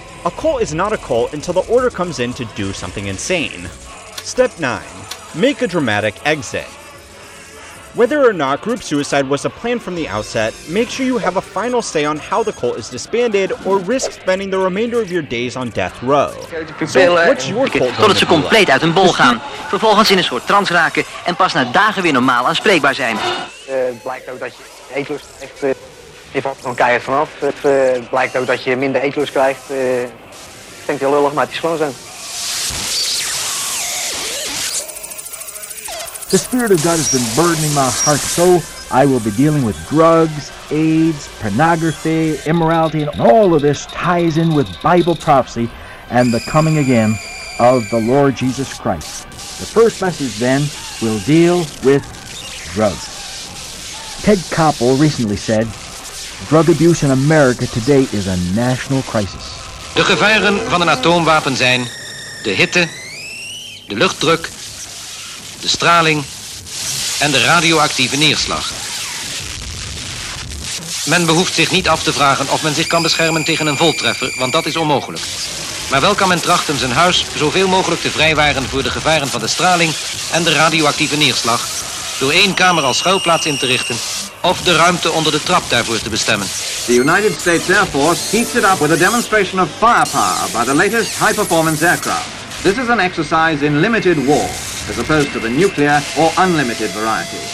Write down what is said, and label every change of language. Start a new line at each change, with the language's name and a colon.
English: A cult is not a cult until the order comes in to do something insane. Step 9. Make a dramatic exit. Whether or not group suicide was a plan from the outset, make sure you have a final say on how the cult is disbanded or risk spending the remainder of your days on death row. So, what's your cult
Dutch: tot het ze compleet uit hun bol gaan, vervolgens in een soort trance raken en pas na dagen weer normaal aanspreekbaar zijn. Blijkt ook dat je eetlust echt je valt van keihard vanaf. Het blijkt ook dat je minder eetlust krijgt. Klinkt heel lullig, maar het is gewoon zo.
English: The Spirit of God has been burdening my heart, so I will be dealing with drugs, AIDS, pornography, immorality, and all of this ties in with Bible prophecy and the coming again of the Lord Jesus Christ. The first message, then, will deal with drugs. Ted Koppel recently said, "Drug abuse in America today is a national crisis."
Dutch: De gevaren van een atoomwapen zijn de hitte, de luchtdruk, de straling en de radioactieve neerslag. Men behoeft zich niet af te vragen of men zich kan beschermen tegen een voltreffer, want dat is onmogelijk. Maar wel kan men trachten zijn huis zoveel mogelijk te vrijwaren voor de gevaren van de straling en de radioactieve neerslag, door één kamer als schuilplaats in te richten of de ruimte onder de trap daarvoor te bestemmen.
English: The United States Air Force heats it up with a demonstration of firepower by the latest high-performance aircraft. This is an exercise in limited war, as opposed to the nuclear or unlimited variety.